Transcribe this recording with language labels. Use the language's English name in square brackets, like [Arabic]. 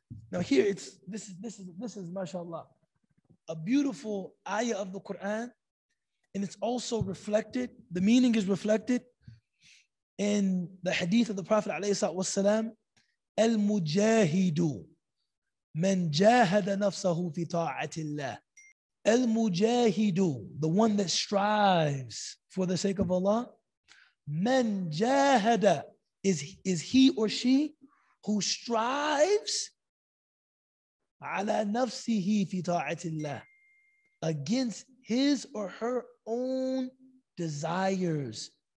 [English] Now here, this is mashallah, a beautiful ayah of the Quran, and it's also reflected, the meaning is reflected in the hadith of the Prophet alayhi salatu wasalam, al-mujahidu, [Arabic] من جاهد نفسه في طاعة الله. [English] المجاهد, the one that strives for the sake of Allah. [Arabic] من جاهد, [English] is he or she who strives [Arabic] على نفسه في طاعة الله, [English] against his or her own desires.